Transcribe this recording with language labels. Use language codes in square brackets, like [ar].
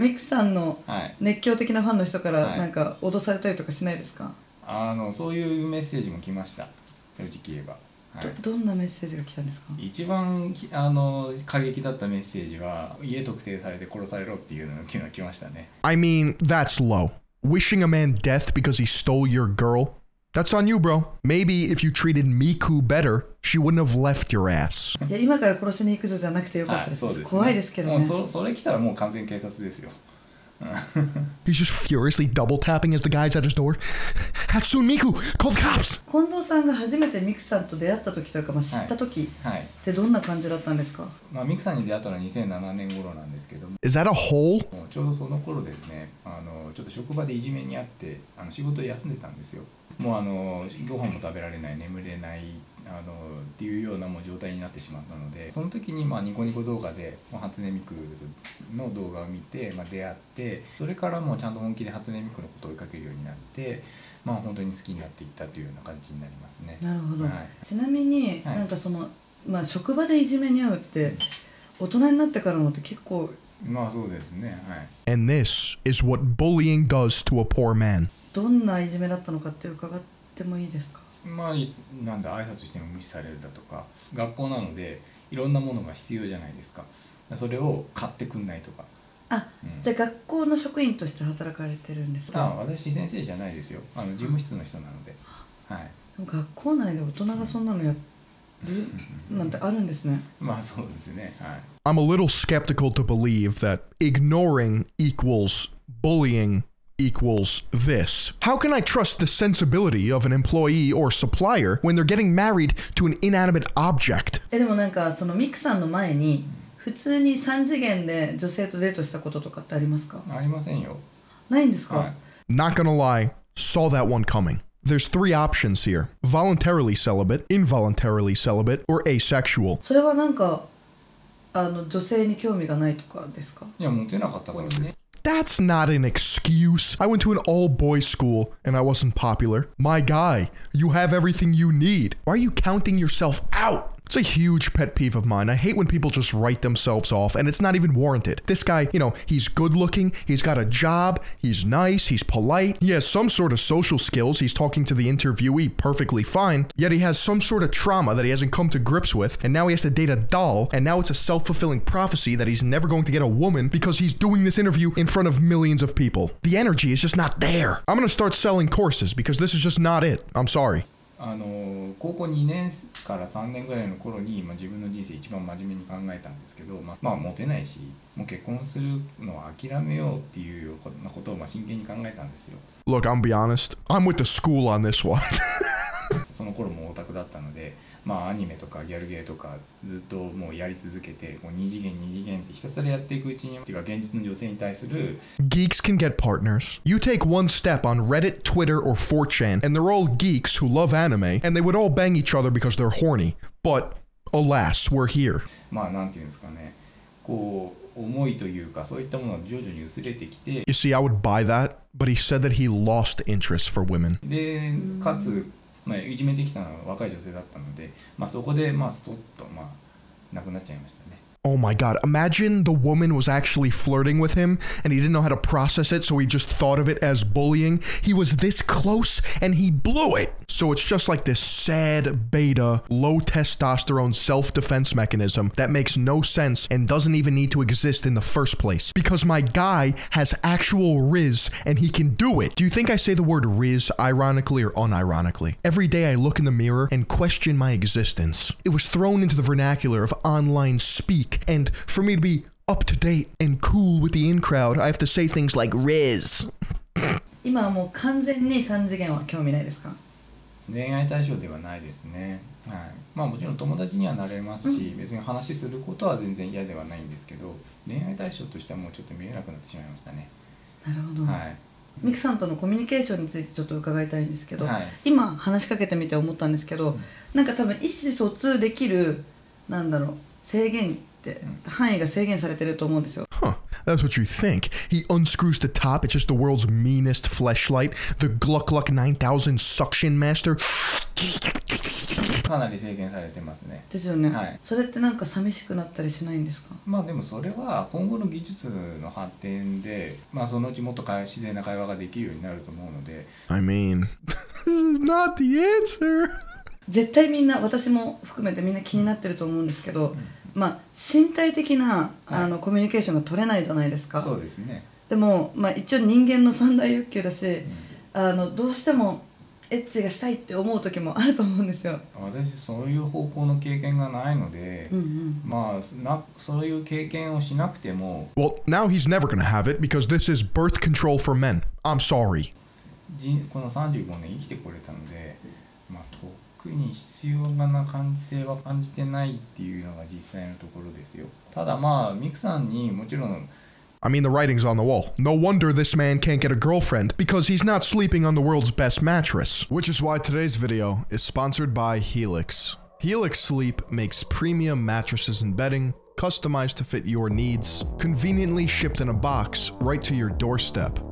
[ja] ミクさんの熱狂的なファンの人からなんか脅されたりとかしないですか？そういうメッセージも来ました、正直言えば。はい、どんなメッセージが来たんですか？一番過激だったメッセージは、家特定されて殺されろっていうのが来ましたね。 [en] I mean, that's low. Wishing a man death because he stole your girl? That's on you, bro. Maybe if you treated Miku better, she wouldn't have left your ass. [ja] いや、今から殺しに行くぞじゃなくてよかったです。はい、そうですね。怖いですけどね。もうそれ来たらもう完全警察ですよ。 [en] He's just furiously double tapping as the guy's at his door. Hatsune Miku, call the cops! [ja] 近藤さんが初めてミクさんと出会った時というか、まあ、知った時、はいはい、ってどんな感じだったんですか？まあ、ミクさんに出会ったのは2007年頃なんですけども。 [en] Is that a hole? [ja] ちょうどその頃ですね、ちょっと職場でいじめにあって、仕事を休んでたんですよ。もうご飯も食べられない、眠れない。っていうようなもう状態になってしまったので、その時にまあニコニコ動画で初音ミクの動画を見て、まあ、出会って、それからもうちゃんと本気で初音ミクのことを追いかけるようになって、まあ、本当に好きになっていったというような感じになりますね。なるほど、はい、ちなみに、はい、なんかその、まあ、職場でいじめに遭うって大人になってからもって結構、まあそうですね、はい。 [en] And this is what bullying does to a poor man. [ja] どんないじめだったのかって伺ってもいいですか？まあ、なんだ、挨拶しても無視されるだとか、学校なのでいろんなものが必要じゃないですか。それを買ってくんないとか。あ、うん、じゃあ学校の職員として働かれてるんですか？あ、私先生じゃないですよ、事務室の人なので。はい、でも学校内で大人がそんなのやるなんてあるんですね。まあそうですね、はい。 [en] I'm a little skeptical to believe that ignoring equals bullying equals this. How can I trust the sensibility of an employee or supplier when they're getting married to an inanimate object? [ja] でもなんかそのミクさんの前に普通に3次元で女性とデートしたこととかってありますか？ありませんよ。ないんですか？ [en] Not gonna lie, saw that one coming. There's three options here. Voluntarily celibate, involuntarily celibate, or asexual. [ja] それはなんか、あの、女性に興味がないとかですか？いや、モテなかったからね。 [en] That's not an excuse. I went to an all-boys school and I wasn't popular. My guy, you have everything you need. Why are you counting yourself out? It's a huge pet peeve of mine. I hate when people just write themselves off and it's not even warranted. This guy, you know, he's good looking, he's got a job, he's nice, he's polite. He has some sort of social skills. He's talking to the interviewee perfectly fine. Yet he has some sort of trauma that he hasn't come to grips with. And now he has to date a doll. And now it's a self-fulfilling prophecy that he's never going to get a woman because he's doing this interview in front of millions of people. The energy is just not there. I'm gonna start selling courses because this is just not it. I'm sorry. [ja] あの高校2年から3年ぐらいの頃に、まあ、自分の人生一番真面目に考えたんですけど、まあ、まあモテないしもう結婚するのは諦めようっていうようなことをまあ真剣に考えたんですよ。 [en] Look, I'm be honest. I'm with the school on this one. [ja] その頃もオタクだったのでまあアニメとかギャルゲーとかずっともうやり続けてもう2次元2次元ってひたすらやっていくうちにっていうか現実の女性に対する [en] Geeks can get partners. You take one step on Reddit, Twitter or 4chan and they're all geeks who love anime and they would all bang each other because they're horny. But alas, we're here. [ja] まあなんていうんですかねこう思いというかそういったものが徐々に薄れてきて [en] You see, I would buy that, but he said that he lost interest for women. [ja] でかつまあ、いじめてきたのは若い女性だったので、まあ、そこで、まあ、ストッと、まあ、亡くなっちゃいましたね。 [en] Oh my god, imagine the woman was actually flirting with him and he didn't know how to process it, so he just thought of it as bullying. He was this close and he blew it. So it's just like this sad beta, low testosterone self-defense mechanism that makes no sense and doesn't even need to exist in the first place. Because my guy has actual riz and he can do it. Do you think I say the word riz ironically or unironically? Every day I look in the mirror and question my existence. It was thrown into the vernacular of online speech. And for me to be up to date and cool with the in crowd, I have to say things like Riz. [ja] 今はもう完全に三次元は興味ないですか？恋愛対象ではないですね。はい。まあもちろん友達にはなれますし、別に話することは全然嫌ではないんですけど、恋愛対象としてはもうちょっと見えなくなってしまいましたね。なるほど。はい。ミクさんとのコミュニケーションについてちょっと伺いたいんですけど、はい、今話しかけてみて思ったんですけど、なんか多分意思疎通できる、なんだろう。制限って範囲が制限されてると思うんですよ。 [en] Huh, that's what you think. He unscrews the top, it's just the world's meanest fleshlight. The Gluck Gluck 9000 suction master. [ja] かなり制限されてますね。ですよね。はい。それってなんか寂しくなったりしないんですか？まあでもそれは今後の技術の発展で、まあそのうちもっと自然な会話ができるようになると思うので。 [en] I mean, this is not the answer. [ja] 絶対みんな、私も含めてみんな気になってると思うんですけど、まあ、身体的な、はい、あのコミュニケーションが取れないじゃないですか。そうですね。でも、まあ、一応人間の三大欲求だし、うん、あのどうしてもエッチがしたいって思う時もあると思うんですよ。私そういう方向の経験がないので、うんうん、まあなそういう経験をしなくても [en] Well, now he's never gonna have it because this is birth control for men. I'm sorry. [ja] この35年生きてこれたので特に必要がな感性は感じてないっていうのが実際のところですよ。ただまあミクさんにもちろん [en] I mean the writing's on the wall. No wonder this man can't get a girlfriend because he's not sleeping on the world's best mattress. Which is why today's video is sponsored by Helix. Helix Sleep makes premium mattresses and bedding customized to fit your needs, conveniently shipped in a box right to your doorstep.